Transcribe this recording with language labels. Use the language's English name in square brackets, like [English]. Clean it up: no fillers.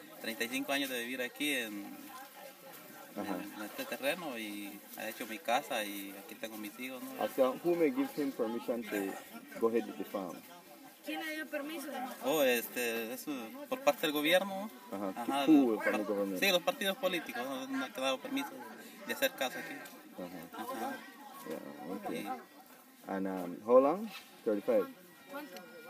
[Spanish] 35 años de vivir aquí en este terreno y ha hecho mi casa y aquí tengo mis hijos, ¿no? [English] Ask him, who may give him permission to go ahead with the farm? [Spanish] ¿Quién le dio permiso? Eso por parte del gobierno. [English] Uh-huh. Ajá. From the government? [Spanish] Sí, los partidos políticos no han dado permiso de hacer casa aquí. [English] Uh-huh. Uh-huh. Yeah, okay. Yeah. And how long? 35. [Spanish] ¿Cuánto?